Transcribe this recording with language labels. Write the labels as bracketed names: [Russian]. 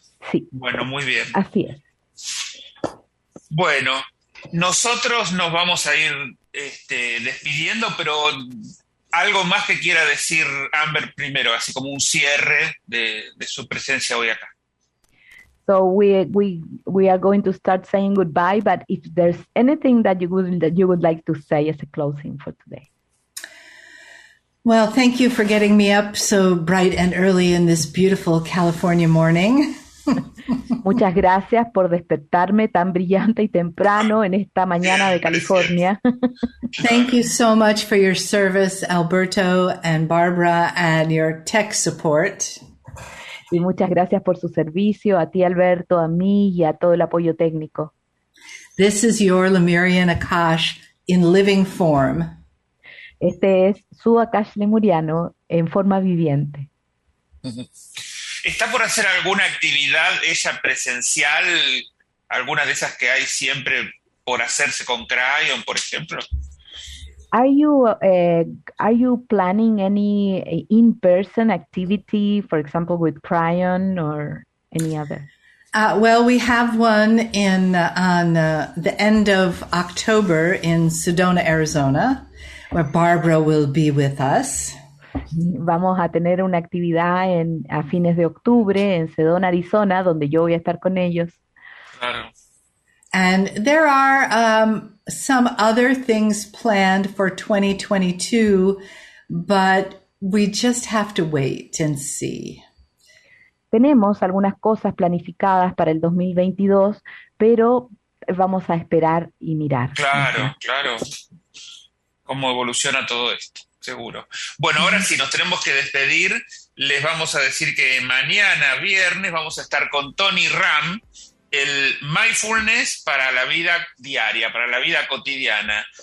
[Spanish] Sí. Bueno, muy bien. Así es. Bueno, nosotros nos vamos a ir despidiendo, pero algo más que quiera decir Amber primero, así como un cierre de su presencia hoy acá. [English] So we are going to start saying goodbye, but if there's anything that you would like to say as a closing for today. Well, thank you for getting me up so bright and early in this beautiful California morning. [Spanish] Muchas gracias por despertarme tan brillante y temprano en esta mañana de California. [English] Thank you so much for your service, Alberto and Barbara, and your tech support. [Spanish] Y muchas gracias por su servicio a ti, Alberto, a mí y a todo el apoyo técnico. [English] This is your Lemurian Akash in living form. [Spanish] Este es su Akash Lemuriano en forma viviente. ¿Está por hacer alguna actividad ella presencial? ¿Alguna de esas que hay siempre por hacerse con Crayon, por ejemplo? [English] Are you planning any in-person activity, for example, with Crayon or any other? Well, we have one on the end of October in Sedona, Arizona, where Barbara will be with us. [Spanish] Vamos a tener una actividad a fines de octubre en Sedona, Arizona, donde yo voy a estar con ellos. Claro. [English] And there are some other things planned for 2022, but we just have to wait and see. [Spanish] Tenemos algunas cosas planificadas para el 2022, pero vamos a esperar y mirar. Claro, ¿sí? Claro. ¿Cómo evoluciona todo esto? Seguro. Bueno, ahora sí, nos tenemos que despedir. Les vamos a decir que mañana, viernes, vamos a estar con Tony Ram, el Mindfulness para la vida diaria, para la vida cotidiana.